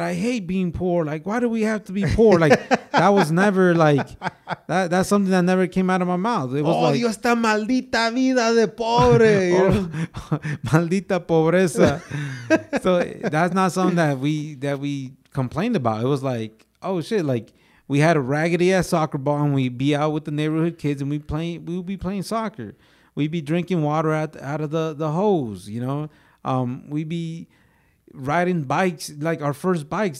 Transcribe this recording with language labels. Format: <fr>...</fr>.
<en>I hate being poor. Like, why do we have to be poor? Like, that was never like, that's something that never came out of my mouth. It was oh, like,</en> <es>Dios, esta maldita vida de pobre. Maldita pobreza.</es> <en>So that's not something that we complained about. It was like, oh shit, like we had a raggedy ass soccer ball and we'd be out with the neighborhood kids and we'd be playing soccer. We'd be drinking water out of the hose, you know. We'd be riding bikes, like our first bikes.</en>